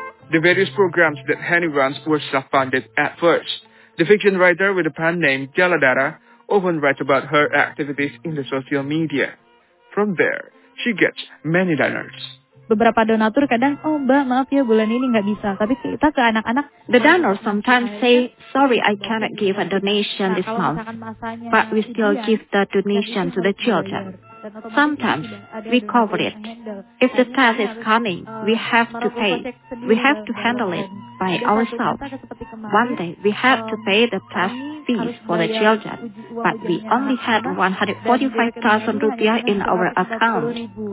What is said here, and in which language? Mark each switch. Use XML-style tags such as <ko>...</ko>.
<en>The various programs that Hani runs were self-funded at first. The fiction writer with a pen name Jaladara often writes about her activities in the social media. From there, she gets many donors.</en> <id>Beberapa donatur kadang, oh mbak maaf ya bulan ini nggak bisa, tapi kita ke anak-anak.</id> <en>The donor sometimes say, sorry I cannot give a donation this month, but we still give the donation to the children. Sometimes we cover it. If the test is coming, we have to pay. We have to handle it by ourselves. One day we have to pay the test fees for the children, but we only had 145,000 rupiah in our account.</en>